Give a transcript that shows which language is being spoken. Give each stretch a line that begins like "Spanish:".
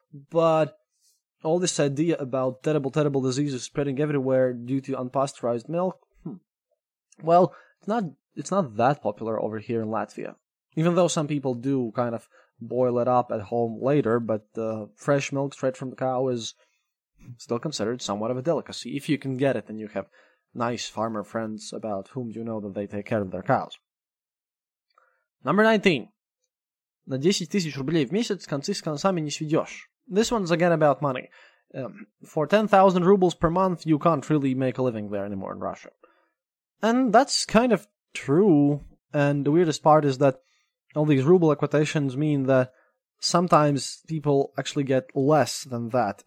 English: But all this idea about terrible diseases spreading everywhere due to unpasteurized milk, well, it's not that popular over here in Latvia. Even though some people do kind of boil it up at home later, but the fresh milk straight from the cow is still considered somewhat of a delicacy. If you can get it, then you have nice farmer friends about whom you know that they take care of their cows. Number 19.
Russian: На 10,000 рублей в месяц концы с концами не сведешь.
English: This one's again about money. For 10,000 rubles per month, you can't really make a living there anymore in Russia. And that's kind of true. And the weirdest part is that all these ruble equations mean that sometimes people actually get less than that.